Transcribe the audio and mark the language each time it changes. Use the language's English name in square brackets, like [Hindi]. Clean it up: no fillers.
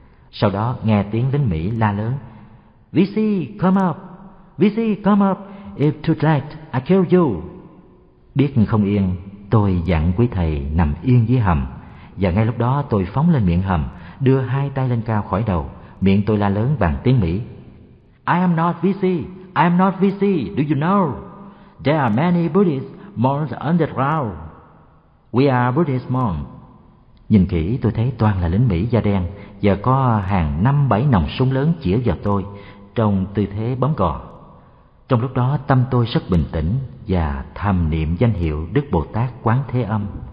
[Vietnamese] Sau đó nghe tiếng lính Mỹ la lớn: [English] "VC, come up! VC, come up! If too late, I kill you!" [Vietnamese] Biết không yên, tôi dặn quý thầy nằm yên dưới hầm. Và ngay lúc đó tôi phóng lên miệng hầm, đưa hai tay lên cao khỏi đầu. Miệng tôi la lớn bằng tiếng Mỹ: [English] "I am not VC! I am not VC! Do you know? There are many Buddhist monks underground. We are Buddhist monks." [Vietnamese] Nhìn kỹ tôi thấy toàn là lính Mỹ da đen và có hàng 5-7 nòng súng lớn chĩa vào tôi trong tư thế bấm cò. Trong lúc đó tâm tôi rất bình tĩnh và thầm niệm danh hiệu Đức Bồ Tát Quán Thế Âm.